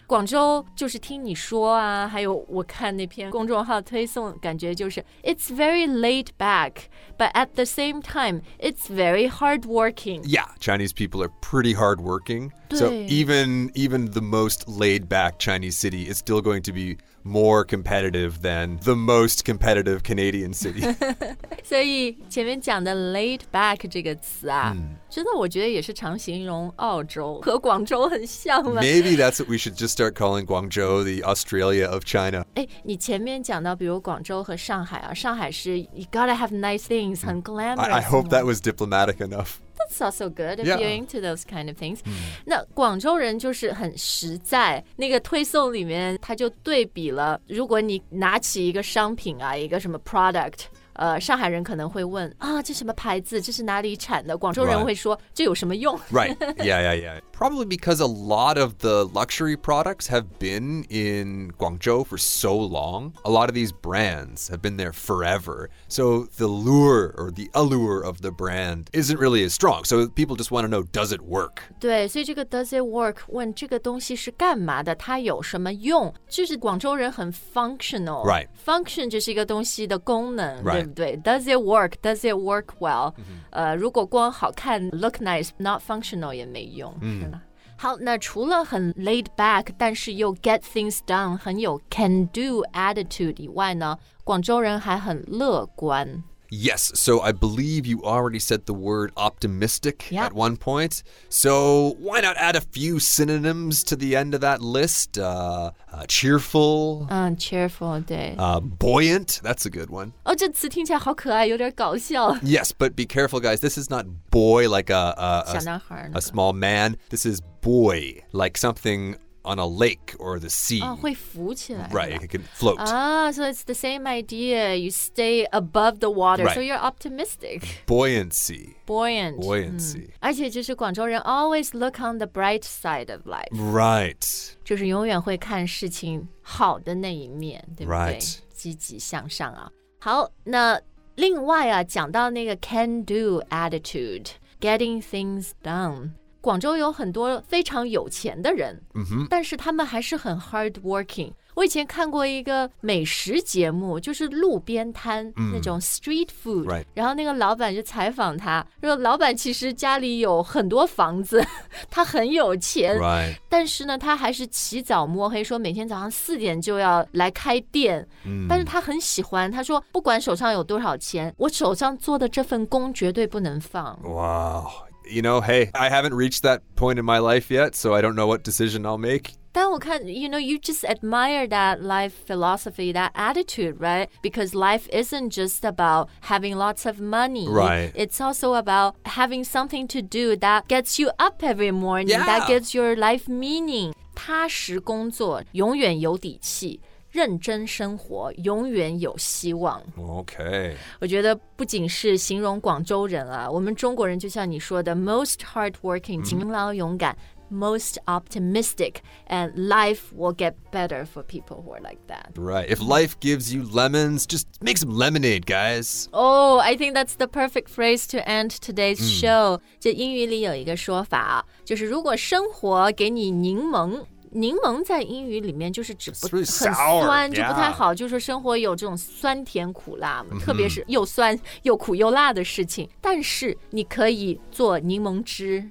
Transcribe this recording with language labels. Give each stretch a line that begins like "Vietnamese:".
Chinese: 广州就是听你说啊还有我看那篇公众号推送感觉就是
English: It's very laid back But at the same time It's very hardworking Yeah, Chinese people are pretty hardworking
Chinese: 对
English: So even the most laid back Chinese city Is still going to be more competitive Than the most competitive Canadian city
Chinese: 所以前面讲的 laid back 这个词啊、mm. 真的我觉得也是常形容澳洲和广州很像了
English: Maybe that's what we should just start calling Guangzhou the Australia of China
Chinese: 哎，你前面讲到比如广州和上海啊，上海是
English: You gotta have nice things
Chinese: 很 glamorous
English: I hope that was diplomatic enough That's also good if、 yeah. you're into those kind of things、 mm.
Chinese: 那广州人就是很实在那个推送里面他就对比了如果你拿起一个商品啊一个什么 productS上海人可能会问啊、哦，这什么牌子这是哪里产的广州人会说、
English: right.
Chinese: 这有什么用
English: Right Yeah yeah yeah Probably because a lot of the luxury products have been in Guangzhou for so long A lot of these brands have been there forever So the lure or the allure of the brand isn't really as strong So people just want to know does it work
Chinese: 对所以这个
English: does it work
Chinese: 问这个东西是干嘛的它有什么用就是广州人很 functional
English: Right
Chinese: Function 就是一个东西的功能
English: Right Does it work? Does it work well?、 Mm-hmm.
Chinese: 如果光好看
English: look nice, not functional
Chinese: 也没用、 mm. 好那除了很 laid back, 但是又
English: get things done,
Chinese: 很有
English: can do attitude
Chinese: 以外呢广州人还很乐观
English: Yes, so I believe you already said the word optimistic、 yep. at one point. So why not add a few synonyms to the end of that list? Cheerful. Cheerful, 对。 Buoyant, that's a good one.
Chinese: 哦，这词听起来好可爱，有点搞笑。
English: Yes, but be careful, guys. This is not boy like
Chinese: 小男孩、那个、
English: a small man. This is boy, like something on a lake or the sea.
Chinese: 哦，会浮起来。
English: Right, it can float. So it's the same idea. You stay above the water,、 right. so you're optimistic. Buoyancy. Buoyant. Buoyancy.、
Chinese: 嗯、而且就是广州人
English: always look on the bright side of life. Right.
Chinese: 就是永远会看事情好的那一面，对不对
English: Right.
Chinese: 积极向上啊。好，那另外啊，讲到那个
English: can do attitude, getting things done。
Chinese: 广州有很多非常有钱的人、 mm-hmm. 但是他们还是很 hardworking。我以前看过一个美食节目，就是路边摊、mm. 那种 street food、
English: right.
Chinese: 然后那个老板就采访他，说老板其实家里有很多房子，他很有钱、
English: right.
Chinese: 但是呢他还是起早摸黑，说每天早上四点就要来开店、 mm. 但是他很喜欢，他说不管手上有多少钱，我手上做的这份工绝对不能放。哇、wow.
English: You know, hey, I haven't reached that point in my life yet, so I don't know what decision I'll make. 但我看, you know, you just admire that life philosophy, that attitude, right? Because life isn't just about having lots of money. Right. It's also about having something to do that gets you up every morning, yeah. that gives your life meaning.
Chinese: 踏实工作,永远有底气。认真生活永远有希望。
English: OK，
Chinese: 我觉得不仅是形容广州人啊，我们中国人就像你说的
English: most hardworking、
Chinese: mm-hmm. 勤劳勇敢
English: most optimistic and life will get better for people who are like that. Right, if life gives you lemons, just make some lemonade, guys. Oh, I think that's the perfect phrase to end today's show、mm.
Chinese: 就英语里有一个说法，就是如果生活给你柠檬，柠檬在英语里面就是指不很酸
English: sour,、yeah.
Chinese: 就不太好，就是说生活有这种酸甜苦辣、mm-hmm. 特别是又酸又苦又辣的事情，但是你可以做柠檬汁。